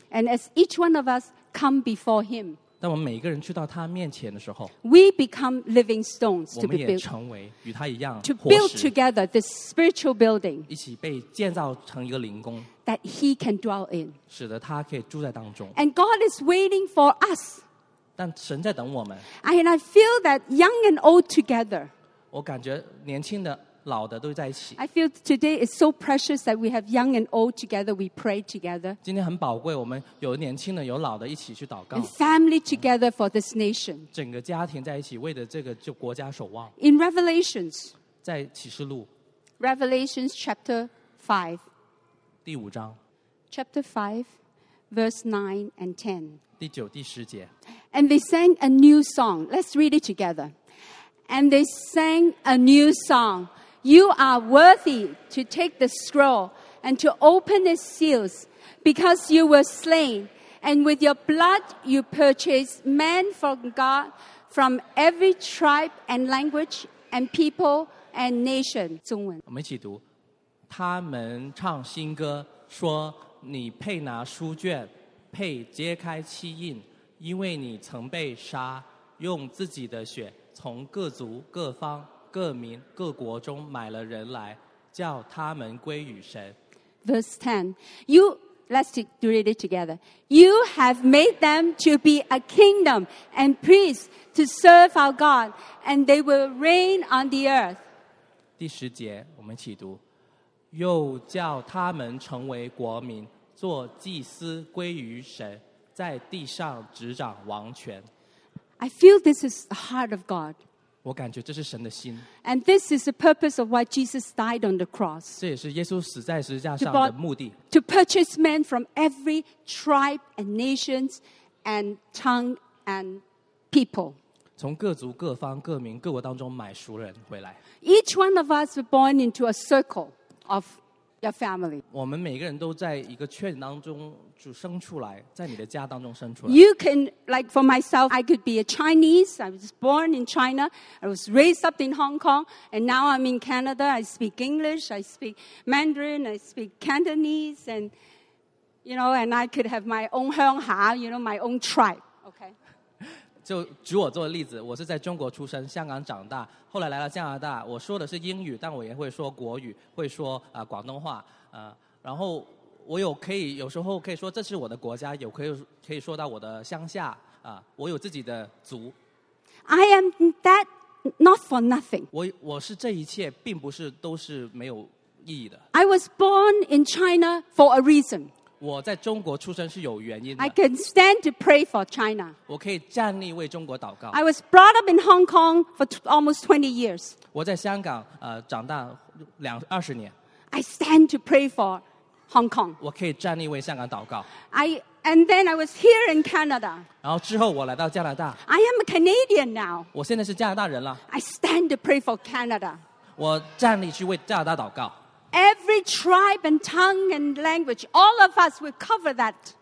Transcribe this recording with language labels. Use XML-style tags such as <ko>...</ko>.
<en>And as each one of us come before Him,</en> <zh>当我们每一个人去到他面前的时候，</zh> <en>We become living stones to be built,</en> <zh>我们也成为与他一样活石，</zh> <en>To build together this spiritual building,</en> <zh>一起被建造成一个灵宫，</zh> <en>That He can dwell in,</en> <zh>使得他可以住在当中。</zh> <en>And God is waiting for us,</en> <zh>但神在等我们。</zh> <en>And I feel that young and old together,</en> <zh>我感觉年轻的老的都在一起。</zh> <en>I feel today is so precious that we have young and old together, we pray together.</en> <zh>今天很宝贵，我们有年轻的有老的一起去祷告。</zh> <en>And family together for this nation.</en> <zh>整个家庭在一起为了这个国家守望。</zh> <en>In Revelations,</en> <zh>在启示录。</zh> <en>Revelations chapter 5,</en> <zh>第五章。</zh> <en>Chapter 5, verse 9 and 10.</en> <zh>第九、第十节。</zh> <en>And they sang a new song. Let's read it together. And they sang a new song. You are worthy to take the scroll and to open its seals because you were slain. And with your blood you purchased men from God from every tribe and language and people and nation.</en> <zh>中文。我们一起读。他们唱新歌说你配拿书卷。配揭开七印，因为你曾被杀，用自己的血从各族、各方、各民、各国中买了人来，叫他们归与神。</zh> <en>Verse 10, you, let's do it together. You have made them to be a kingdom and priests to serve our God, and they will reign on the earth.</en> <zh>第十节，我们一起读，又叫他们成为国民。做祭司归于神，在地上执掌王权。</zh> <en>I feel this is the heart of God.</en> <zh>我感觉这是神的心。</zh> <en>And this is the purpose of why Jesus died on the cross.</en> <zh>这也是耶稣死在十字架上的目的。</zh> <en>To purchase men from every tribe and nations and tongue and people.</en> <zh>从各族、各方、各民、各国当中买赎人回来。</zh> <en>Each one of us was born into a circle of. Your family.</en> <zh>我们每个人都在一个圈当中就生出来，在你的家当中生出来。</zh> <en>You can, like for myself, I could be a Chinese. I was born in China. I was raised up in Hong Kong. And now I'm in Canada. I speak English. I speak Mandarin. I speak Cantonese. And, you know, and I could have my own 鄉下, you know, my own tribe. Okay.</en> <zh>就举我做的例子，我是在中国出生，香港长大，后来来了加拿大，我说的是英语，但我也会说国语，会说广东话，然后我有可以有时候可以说这是我的国家，有可以说到我的乡下啊，我有自己的族。</zh> <en>I am that not for nothing.</en> <zh>我是这一切并不是都是没有意义的。</zh> <en>I was born in China for a reason.</en> <zh>我在中国出生是有原因的。</zh> <en>I can stand to pray for China.</en> <zh>我可以站立为中国祷告。</zh> <en>I was brought up in Hong Kong for almost 20 years.</en> <zh>我在香港长大20年。</zh> <en>I stand to pray for Hong Kong.</en> <zh>我可以站立为香港祷告。</zh> <en>And then I was here in Canada.</en> <zh>然后之后我来到加拿大。</zh> <en>I am a Canadian now.</en> <zh>我现在是加拿大人了。</zh> <en>I stand to pray for Canada.</en> <zh>我站立去为加拿大祷告。</zh> <en>Every tribe and tongue and language, all of us will cover that.</en>